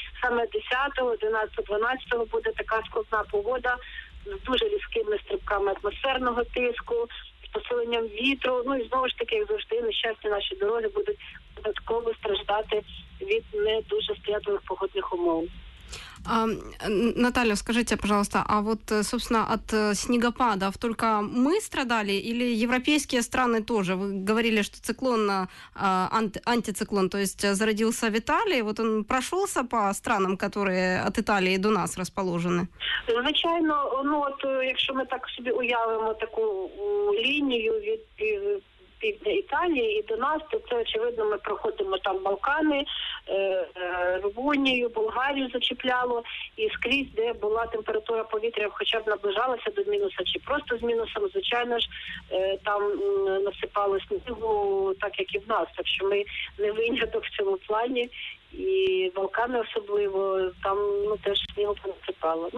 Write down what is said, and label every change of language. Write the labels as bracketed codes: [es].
[uk] Саме 10, 11, 12 буде така складна погода з дуже різкими стрибками атмосферного тиску, з посиленням вітру. Ну і знову ж таки, як завжди, нещасні наші дороги будуть додатково страждати від не дуже сприятливих погодних умов. [ru] Наталья, скажите, пожалуйста, а вот, собственно, от снегопадов только мы страдали или европейские страны тоже? Вы говорили, что циклон, антициклон, то есть зародился в Италии, вот он прошелся по странам, которые от Италии до нас расположены? [uk] Звичайно, [ru] если мы так себе [uk] уявим [ru] такую линию [uk] від Італії і до нас, то це очевидно, ми проходимо там Балкани, Румунію, Болгарію зачіпляло, і скрізь, де була температура повітря, хоча б наближалася до мінуса, чи просто з мінусом, звичайно ж, там насипало снігу, так як і в нас, так що ми не виняток в цьому плані, і Балкани особливо, там теж снігу понасипало.